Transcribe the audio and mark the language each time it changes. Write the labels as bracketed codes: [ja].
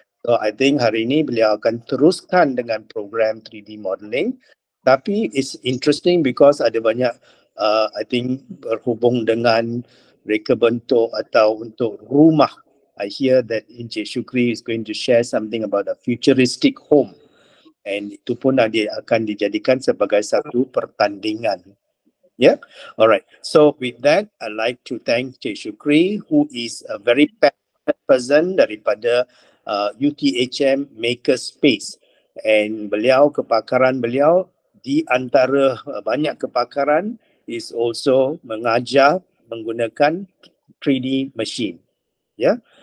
[en] So I think [ms] hari ini beliau akan teruskan dengan program 3D modeling. Tapi [en] it's interesting because [ms] ada banyak, [en] I think, [ms] berhubung dengan reka bentuk atau untuk rumah. [en] I hear that Encik Shukri is going to share something about a futuristic home. [ms] And itu pun ada akan dijadikan sebagai satu pertandingan. [en] Yeah, alright. So with that, I'd like to thank Encik Shukri, who is a very passionate person [ms] daripada [en] UTHM Makerspace. [ms] And beliau, kepakaran beliau, di antara banyak kepakaran [en] is also [ms] mengajar menggunakan 3D machine. Yeah.